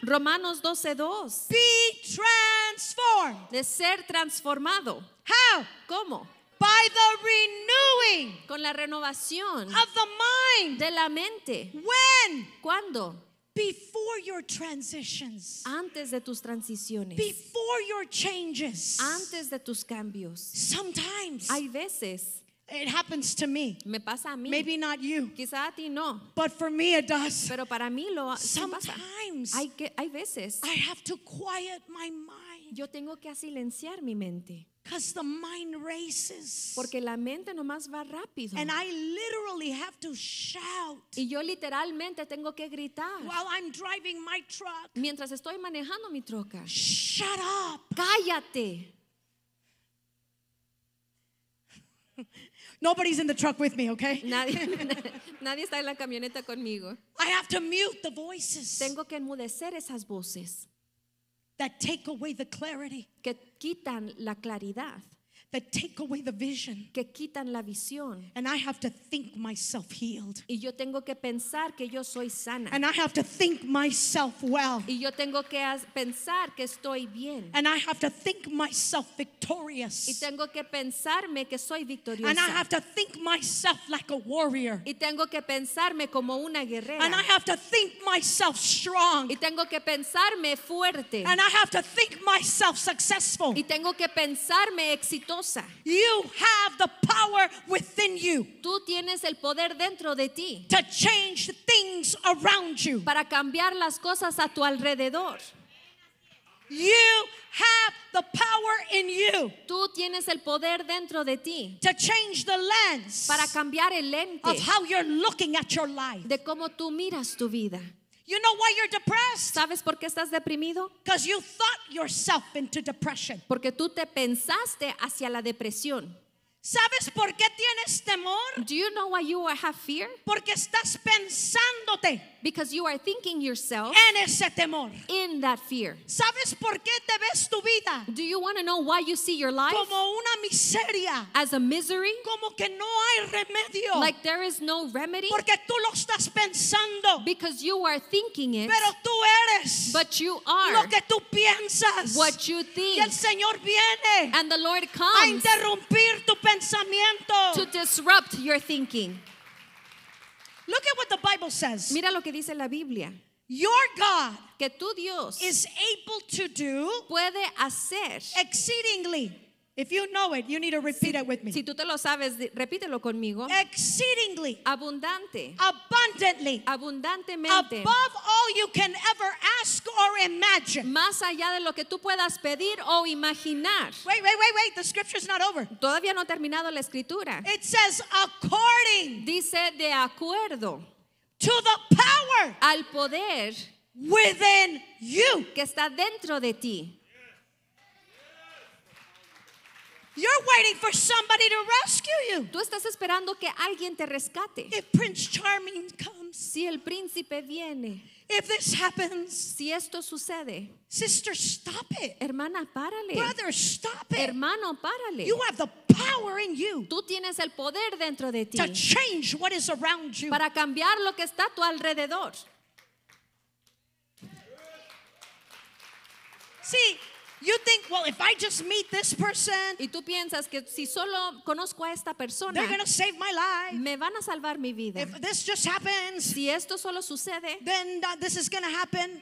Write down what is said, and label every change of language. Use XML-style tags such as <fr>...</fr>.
<es>Romanos 12:2.</es> <en>Be transformed.</en> <es>De ser transformado.</es> <en>How?</en> <es>¿Cómo?</es> <en>By the renewing.</en> <es>Con la renovación.</es> <en>Of the mind.</en> <es>De la mente.</es> <en>When?</en> <es>¿Cuándo?</es> <en>Before your transitions.</en> <es>Antes de tus transiciones.</es> <en>Before your changes.</en> <es>Antes de tus cambios.</es> <en>Sometimes.</en> <es>Hay veces.</es> <en>It happens to me.</en> <es>Me pasa a mí.</es> <en>Maybe not you.</en> <es>Quizá a ti no.</es> <en>But for me it does.</en> <es>Pero para mí lo</es> <en>sometimes.</en> <es>Pasa. Hay veces.</es> <en>I have to quiet my mind.</en> <es>Yo tengo que silenciar mi mente.</es> <en>Because the mind races.</en> <es>Porque la mente nomás va rápido.</es> <en>And I literally have to shout.</en> <es>Y yo literalmente tengo que gritar.</es> <en>While I'm driving my truck.</en> <es>Mientras estoy manejando mi troca.</es> <en>Shut up.</en> <es>Cállate.</es> <en>Nobody's in the truck with me, okay?</en> <es>Nadie está en la camioneta conmigo.</es> <en>I have to mute the voices.</en> <es>Tengo que enmudecer esas voces.</es> <en>That take away the clarity.</en> <es>Que quitan la claridad.</es> <en>That take away the vision.</en> <es>Que quitan la visión.</es> <en>And I have to think myself healed.</en> <es>Y yo tengo que pensar que yo soy sana.</es> <en>And I have to think myself well.</en> <es>Y yo tengo que pensar que estoy bien.</es> <en>And I have to think myself victorious.</en> <es>Y tengo que pensarme que soy victoriosa.</es> <en>And I have to think myself like a warrior.</en> <es>Y tengo que pensarme como una guerrera.</es> <en>And I have to think myself strong.</en> <es>Y tengo que pensarme fuerte.</es> <en>And I have to think myself successful.</en> <es>Y tengo que pensarme exitosa.</es> <en>You have the power within you.</en> <es>Tú tienes el poder dentro de ti.</es> <en>To change things around you.</en> <es>Para cambiar las cosas a tu alrededor.</es> <en>You have the power in you.</en> <es>Tú tienes el poder dentro de ti.</es> <en>To change the lens.</en> <es>Para cambiar el lente.</es> <en>Of how you're looking at your life.</en> <es>De cómo tú miras tu vida.</es> <en>You know why you're depressed?</en> <es>¿Sabes por qué estás deprimido?</es> <en>Because you thought yourself into depression.</en> <es>Porque tú te pensaste hacia la depresión. ¿Sabes por qué tienes temor?</es> <en>Do you know why you have fear?</en> <es>Porque estás pensándote.</es> <en>Because you are thinking yourself.</en> <es>En ese temor.</es> <en>In that fear.</en> <es>¿Sabes por qué te ves tu vida?</es> <en>Do you want to know why you see your life?</en> <es>Como una miseria.</es> <en>As a misery.</en> <es>Como que no hay remedio.</es> <en>Like there is no remedy.</en> <es>Porque tú lo estás pensando.</es> <en>Because you are thinking it.</en> <es>Pero tú eres.</es> <en>But you are.</en> <es>Lo que tú piensas.</es> <en>What you think.</en> <es>Y el Señor viene.</es> <en>And the Lord comes.</en> <es>A interrumpir tu pensamiento.</es> <en>To disrupt your thinking. Look at what the Bible says.</en> <es>Mira lo que dice la Biblia.</es> <en>Your God,</en> <es>que tu Dios,</es> <en>is able to do,</en> <es>puede hacer,</es> <en>exceedingly. If you know it, you need to repeat it with me.</en> <es>Si tú te lo sabes, repítelo conmigo.</es> <en>Exceedingly,</en> <es>abundante,</es> <en>abundantly,</en> <es>abundantemente,</es> <en>above all you can ever ask or imagine.</en> <es>Más allá de lo que tú puedas pedir o imaginar.</es> <en>Wait. The scripture's not over.</en> <es>Todavía no ha terminado la escritura.</es> <en>It says according.</en> <es>Dice de acuerdo.</es> <en>To the power.</en> <es>Al poder.</es> <en>Within you.</en> <es>Que está dentro de ti.</es> <en>You're waiting for somebody to rescue you.</en> <es>Tú estás esperando que alguien te rescate.</es> <en>If Prince Charming comes.</en> <es>Si el príncipe viene.</es> <en>If this happens.</en> <es>Si esto sucede.</es> <en>Sister, stop it.</en> <es>Hermana, párale.</es> <en>Brother, stop it.</en> <es>Hermano, párale.</es> <en>You have the power in you.</en> <es>Tú tienes el poder dentro de ti.</es> <en>To change what is around you.</en> <es>Para cambiar lo que está a tu alrededor.</es> <en>See, You think, well, if I just meet this person,</en> <es>y tú piensas que si solo conozco a esta persona,</es> <en>they're gonna save my life.</en> <es>Me van a salvar mi vida.</es> <en>If this just happens,</en> <es>si esto solo sucede,</es> <en>then this is gonna happen.</en>